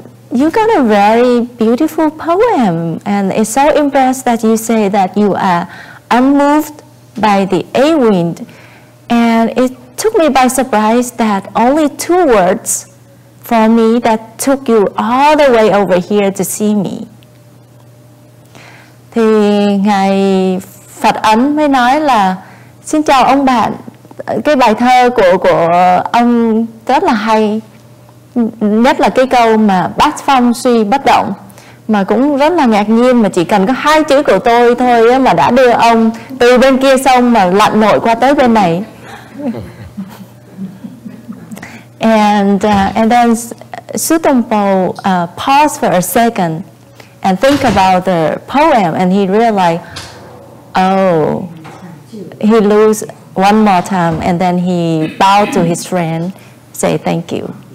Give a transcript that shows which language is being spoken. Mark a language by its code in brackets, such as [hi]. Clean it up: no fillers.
[en] You got a very beautiful poem, and it's so impressed that you say that you are unmoved by the A wind. And it took me by surprise that only two words for me that took you all the way over here to see me." [vi] Thì ngài Phật Ấn mới nói là, "Xin chào ông bạn, cái bài thơ của ông rất là hay, nhất là cái câu mà bát phong suy bất động, mà cũng rất là ngạc nhiên mà chỉ cần có hai chữ của tôi thôi mà đã đưa ông từ bên kia sông mà lặn nổi qua tới bên này." [en] And then Su Tongpo pause for a second and think about the poem, and he realized, oh, he lose one more time, and then he bowed to his friend, say thank you.